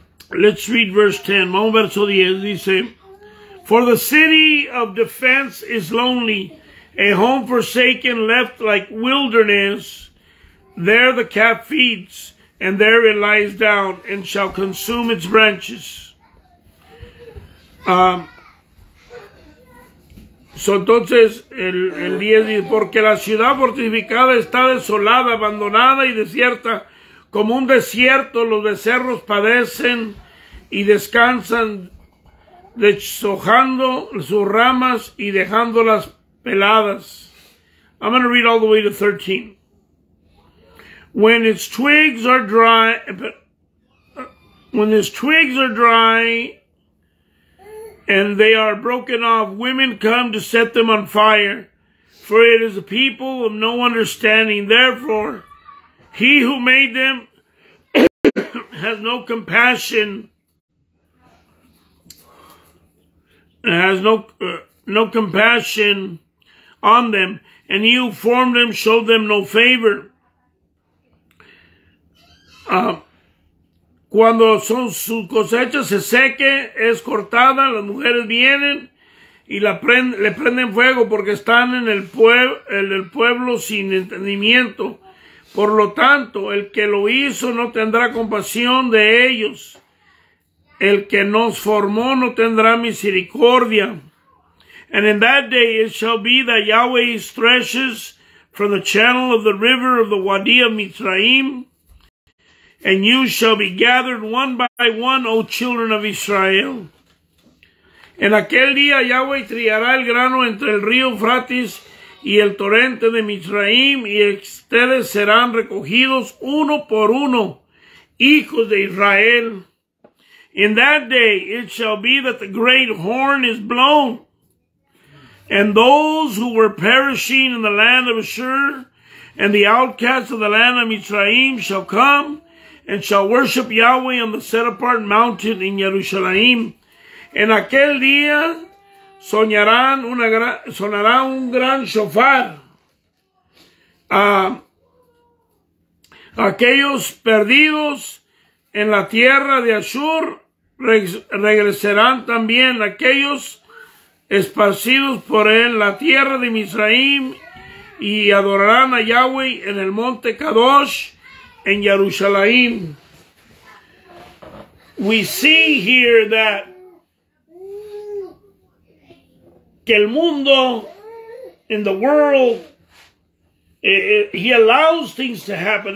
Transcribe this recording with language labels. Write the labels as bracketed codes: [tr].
[en] Let's read verse 10. [es] Vamos verso 10. Dice, [en] for the city of defense is lonely, a home forsaken, left like wilderness. There the calf feeds, and there it lies down, and shall consume its branches. [es] So entonces, el 10 dice, porque la ciudad fortificada está desolada, abandonada y desierta, como un desierto los becerros padecen y descansan, deshojando sus ramas y dejándolas peladas. [en] I'm going to read all the way to 13. When its twigs are dry, and they are broken off, women come to set them on fire, for it is a people of no understanding. Therefore, he who made them has no compassion on them, and he who formed them showed them no favor. [es] Cuando su cosecha se seque, es cortada, las mujeres vienen y le prenden fuego porque están en el pueblo sin entendimiento. Por lo tanto, el que lo hizo no tendrá compasión de ellos. El que nos formó no tendrá misericordia. [en] And in that day it shall be that Yahweh threshes from the channel of the river of the Wadi of Mitzrayim. And you shall be gathered one by one, O children of Israel. [es] En aquel día Yahweh triará el grano entre el río Frates y el torrente de Mitzrayim, y ustedes serán recogidos uno por uno, hijos de Israel. [en] In that day it shall be that the great horn is blown, and those who were perishing in the land of Ashur and the outcasts of the land of Mitzrayim shall come, and shall worship Yahweh on the set-apart mountain in Jerusalem. [es] En aquel día sonará un gran shofar. Aquellos perdidos en la tierra de Ashur regresarán también. Aquellos esparcidos por él, la tierra de Mizraim, y adorarán a Yahweh en el monte Kadosh, [en] in Jerusalem. We see here that [es] que el mundo, [en] in the world, he allows things to happen.